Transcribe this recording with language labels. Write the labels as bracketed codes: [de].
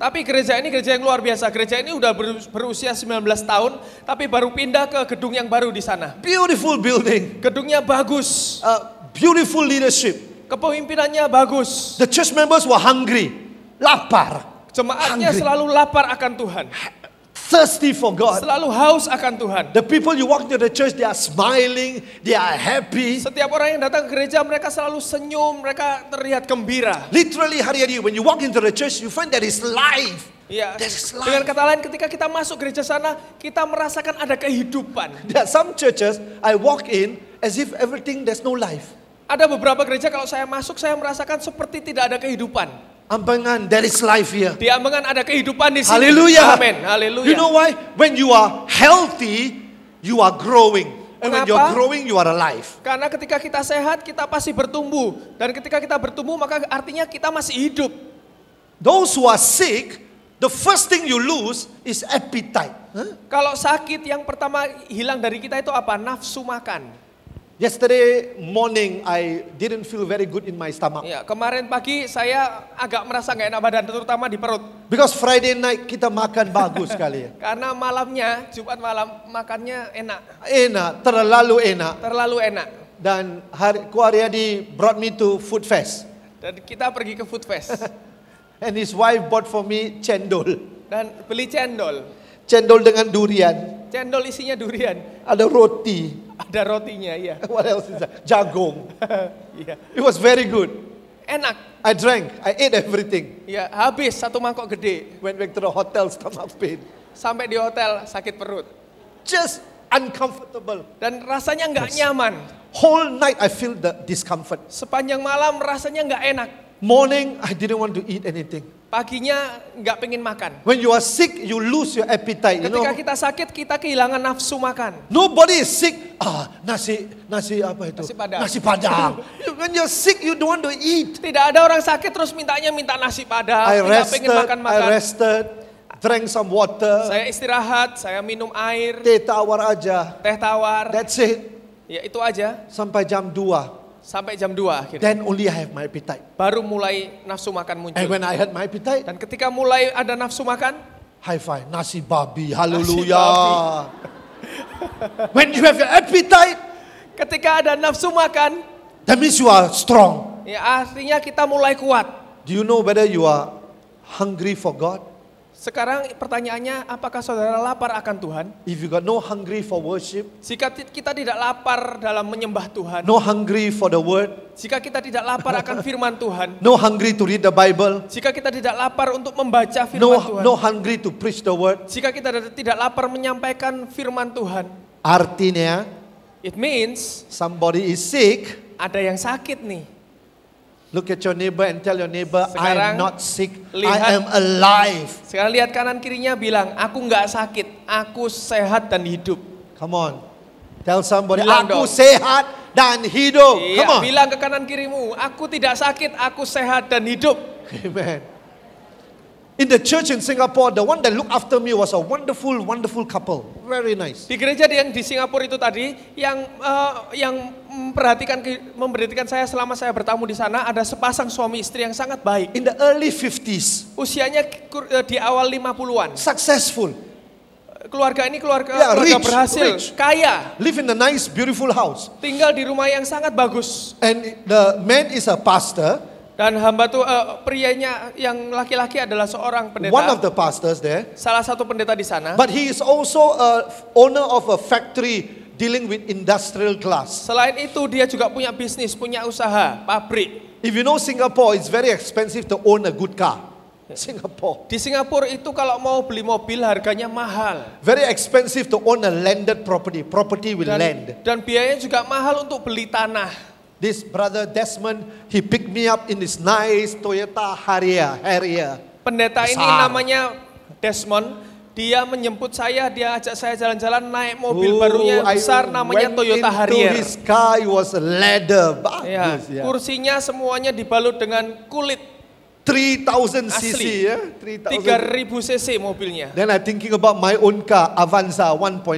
[id] Tapi gereja ini gereja yang luar biasa. Gereja ini udah berusia 19 tahun, tapi baru pindah ke gedung yang baru di sana. [en] Beautiful building. [id] Gedungnya bagus. [en] Beautiful leadership. [id] Kepemimpinannya bagus. [en] The church members were hungry. [id] Lapar. Jemaatnya selalu lapar akan Tuhan. [en] Thirsty for God. [id] Selalu haus akan Tuhan. [en] The people you walk into the church, they are smiling, they are happy. [id] Setiap orang yang datang ke gereja, mereka selalu senyum, mereka terlihat gembira. [en] Literally, [id] hari-hari, [en] when you walk into the church, you find there is life. [id] Yeah. Dengan kata lain, ketika kita masuk gereja sana, kita merasakan ada kehidupan. [en] Yeah, some churches I walk in as if everything there's no life. [id] Ada beberapa gereja kalau saya masuk, saya merasakan seperti tidak ada kehidupan. [en] Ambangan, there is life here. [id] Di Ambangan ada kehidupan di sini. Haleluya. Amen. Haleluya. [en] You know why? When you are healthy, you are growing. And when you're growing, you are alive. [id] Karena ketika kita sehat, kita pasti bertumbuh. Dan ketika kita bertumbuh, maka artinya kita masih hidup. [en] Those who are sick, the first thing you lose is appetite. Huh? [id] Kalau sakit, yang pertama hilang dari kita itu apa? Nafsu makan. [en] Yesterday morning, I didn't feel very good in my stomach. [id] Ya, kemarin pagi, saya agak merasa gak enak badan, terutama di perut. [en] Because Friday night, [id] kita makan bagus sekali. Karena malamnya, Jumat malam, makannya enak. Enak, terlalu enak. Terlalu enak. [en] Dan Kuaryadi brought me to Food Fest. [id] Dan kita pergi ke Food Fest. [en] And his wife bought for me cendol. [id] Dan beli cendol. Cendol dengan durian. Cendol isinya durian. Ada roti. Ada rotinya, iya. [en] What else is that? Jagung. Yeah. It was very good. [id] Enak. [en] I drank. I ate everything. [id] Iya, yeah, habis satu mangkok gede. [en] Went back to the hotel, stomach pain. [id] Sampai di hotel, sakit perut. [en] Just uncomfortable. [id] Dan rasanya enggak nyaman. [en] Whole night I feel the discomfort. [id] Sepanjang malam rasanya enggak enak. [en] Morning, I didn't want to eat anything. [id] Paginya enggak pengin makan. [en] When you are sick, you lose your appetite. [id] Ketika [en] you know? [id] Kita sakit, kita kehilangan nafsu makan. [en] Nobody is sick. [id] Nasi apa itu? Nasi Padang. Nasi Padang. [en] When you're sick, you don't want to eat. [id] Tidak ada orang sakit terus minta nasi Padang. [en] I rested. I rested. Drank some water. [id] Saya istirahat. Saya minum air. Teh tawar aja. Teh tawar. [en] That's it. [id] Ya itu aja. Sampai jam 2. Sampai jam 2 akhirnya. [en] Then only I have my appetite. [id] Baru mulai nafsu makan muncul. [en] And when I had my appetite. [id] Dan ketika mulai ada nafsu makan. [en] High five, [id] nasi babi, haleluya. [en] When you have your appetite. [id] Ketika ada nafsu makan. [en] That means you are strong. [id] Ya, artinya kita mulai kuat. [en] Do you know whether you are hungry for God? [id] Sekarang pertanyaannya, apakah saudara lapar akan Tuhan? [en] If you got no hungry for worship, [id] jika kita tidak lapar dalam menyembah Tuhan, [en] no hungry for the word, [id] jika kita tidak lapar akan firman Tuhan, [en] no hungry to read the Bible, [id] jika kita tidak lapar untuk membaca firman Tuhan, [en] no hungry to preach the word, [id] jika kita tidak lapar menyampaikan firman Tuhan, artinya, [en] it means, somebody is sick, [id] ada yang sakit nih. [en] Look at your neighbor and tell your neighbor, [id] sekarang, [en] I am not sick, I am alive. [id] Sekarang lihat kanan kirinya bilang, aku enggak sakit, aku sehat dan hidup. [en] Come on, tell somebody, [id] bilang aku dong. Sehat dan hidup. Iya, [en] come on. [id] Bilang ke kanan kirimu, aku tidak sakit, aku sehat dan hidup. Amen. [en] In the church in Singapore, the one that looked after me was a wonderful, wonderful couple. Very nice. [id] Di gereja yang di Singapura itu tadi, yang memperhatikan saya selama saya bertamu di sana, ada sepasang suami istri yang sangat baik. [en] In the early 50s. [id] Usianya di awal 50-an. [en] Successful. [id] Keluarga ini keluarga berhasil, [en] rich. [id] Kaya. [en] Live in a nice, beautiful house. [id] Tinggal di rumah yang sangat bagus. [en] And the man is a pastor. [id] Dan hamba tuh prianya yang laki-laki adalah seorang pendeta. [en] One of the pastors there. [id] Salah satu pendeta di sana. [en] But he is also a owner of a factory dealing with industrial glass. [id] Selain itu dia juga punya bisnis, punya usaha, pabrik. [en] If you know Singapore, it's very expensive to own a good car. Singapore. [id] Di Singapura itu kalau mau beli mobil harganya mahal. [en] Very expensive to own a landed property, property with land. [id] Dan biayanya juga mahal untuk beli tanah. [en] This brother Desmond, he picked me up in this nice Toyota Harrier. [id] Pendeta ini namanya Desmond, dia menjemput saya, dia ajak saya jalan-jalan naik mobil barunya besar namanya Toyota Harrier. [en] Into his car, it was a leather. [id] Bagus, ya. Kursinya semuanya dibalut dengan kulit. 3000 cc asli. Ya. 3000 cc mobilnya. [en] Then I thinking about my own car, Avanza 1.5.